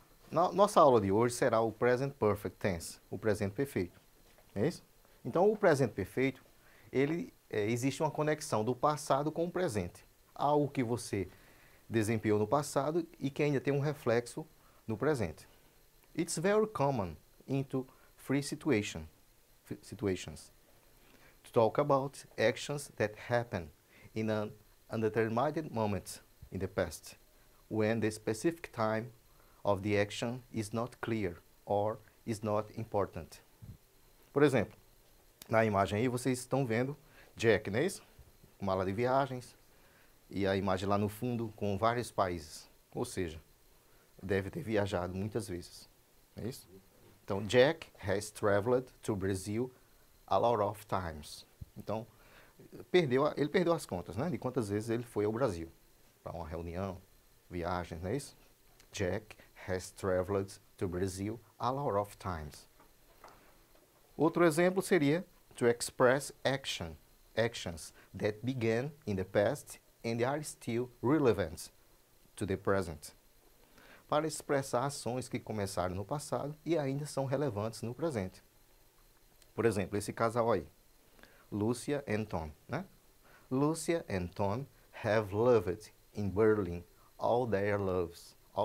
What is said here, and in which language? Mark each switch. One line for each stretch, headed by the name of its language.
Portuguese: Nossa aula de hoje será o Present Perfect Tense, o presente perfeito, é isso? Então, o presente perfeito, existe uma conexão do passado com o presente. Algo que você desempenhou no passado e que ainda tem um reflexo no presente.
English: It's very common into three situations to talk about actions that happen in an undetermined moment in the past, when the specific time of the action is not clear or is not important.
Portuguese: Por exemplo, na imagem aí vocês estão vendo Jack, não é isso? Mala de viagens e a imagem lá no fundo com vários países. Ou seja, deve ter viajado muitas vezes, não é isso? Então,
English: Jack has traveled to Brazil a lot of times.
Portuguese: Então, ele perdeu as contas, né? De quantas vezes ele foi ao Brasil para uma reunião, viagens, não é isso?
English: Jack has traveled to Brazil a lot of times.
Portuguese: Outro exemplo seria
English: to express actions that began in the past and are still relevant to the present.
Portuguese: Para expressar ações que começaram no passado e ainda são relevantes no presente. Por exemplo, esse casal aí. Lucia and Tom, né?
English: Lucia and Tom have lived in Berlin all their lives.